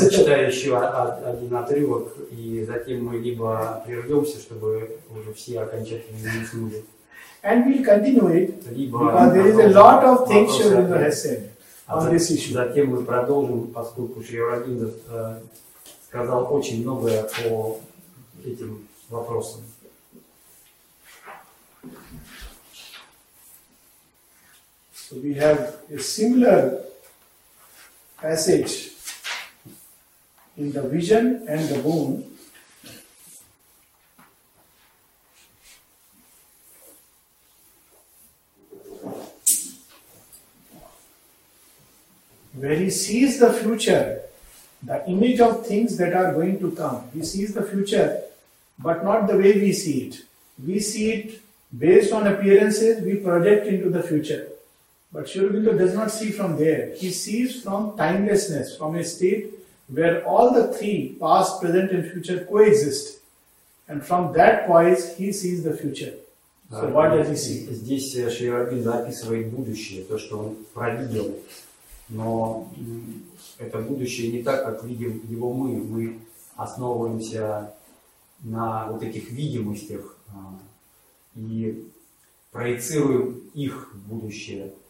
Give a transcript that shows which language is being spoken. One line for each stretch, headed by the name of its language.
Russian: Я прочитаю еще один отрывок, и затем мы либо прервемся, чтобы уже все окончательно не уснули.
English: And we'll continue it, because there is a lot of things Шри Аурабинда has said on this issue.
Russian: Затем мы продолжим, поскольку Шри Аурабинда сказал очень многое по этим вопросам.
English: So we have a similar passage in the vision and the boon. Where he sees the future, the image of things that are going to come. He sees the future, but not the way we see it. We see it based on appearances, we project into the future. But Sri Aurobindo does not see from there. He sees from timelessness, from a state where all the three, past, present and future, coexist. And from that poise, he sees the future. So what does he see?
Russian: Здесь Шри Аурабинда описывает будущее, то, что он провидел. Но это будущее не так, как видим его мы. Мы основываемся на вот этих видимостях и проецируем их в будущее.